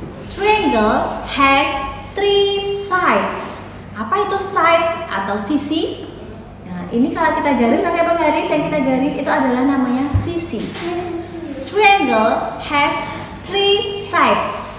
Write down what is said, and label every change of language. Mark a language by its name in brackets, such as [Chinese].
[English] Triangle has three sides. [Indonesian] Apa itu sides atau sisi? Nah, ini kalau kita garis pakai apa garis? Yang kita garis itu adalah namanya sisi. [English] Triangle has three sides.